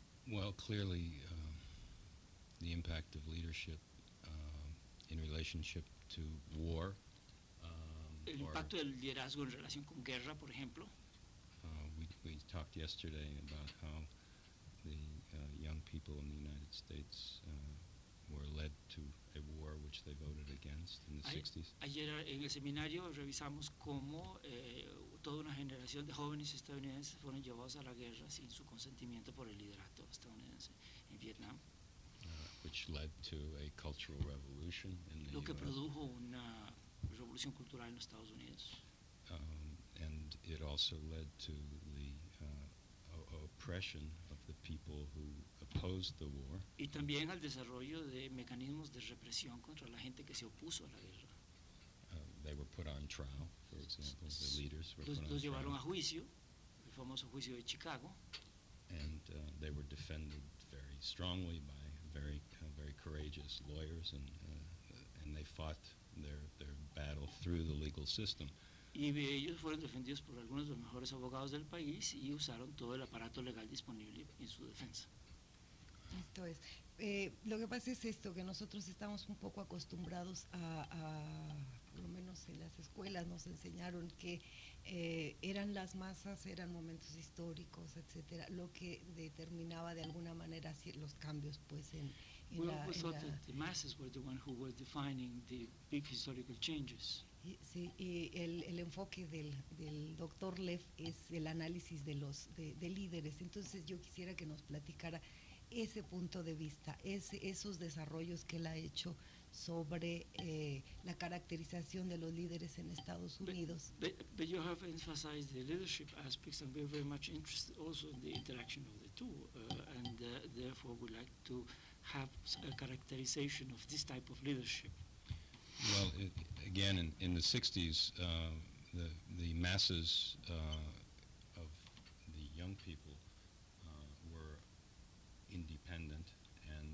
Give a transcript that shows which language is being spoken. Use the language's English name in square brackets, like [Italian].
[English] Well, clearly, the impact of leadership in relationship to war. [Spanish] El impacto del liderazgo en relación con guerra, por ejemplo. [English] We talked yesterday about how the young people in the United States were led to a war which they voted against in the 60s. [Spanish] Ayer en el seminario revisamos cómo toda una generación de jóvenes estadounidenses fueron llevados a la guerra sin su consentimiento por el liderato estadounidense en Vietnam. [English] Which led to a cultural revolution in the [Spanish] U.S. Lo que produjo una revolución cultural en los Estados Unidos. [English] And it also led to the oppression of the people who opposed the war. [Spanish] Y también al desarrollo de mecanismos de represión contra la gente que se opuso a la guerra. [English] They were put on trial, for example, the leaders were put on [Spanish] Los llevaron a juicio, el famoso juicio de Chicago. [English] And they were defended very strongly by very very courageous lawyers, and they fought their battle through the legal system. [Spanish] Y ellos fueron defendidos por algunos de los mejores abogados del país y usaron todo el aparato legal disponible en su defensa. Esto es, lo que pasa es esto, que nosotros estamos un poco acostumbrados a por lo menos en las escuelas nos enseñaron que eran las masas, eran momentos históricos, etcétera, lo que determinaba de alguna manera los cambios, pues, en well, [English] Well, we thought that the masses were the one who were defining the big historical changes. [Spanish] Sí, y el enfoque del doctor Leff es el análisis de los de líderes. Entonces yo quisiera que nos platicara ese punto de vista, esos desarrollos que él ha hecho sobre la caracterización de los líderes en Estados Unidos. [English] But you have emphasized the leadership aspects, and we're very much interested also in the interaction of the two, and therefore we'd like to have a characterization of this type of leadership. Well, again, in the 60s, the masses of the young people were independent, and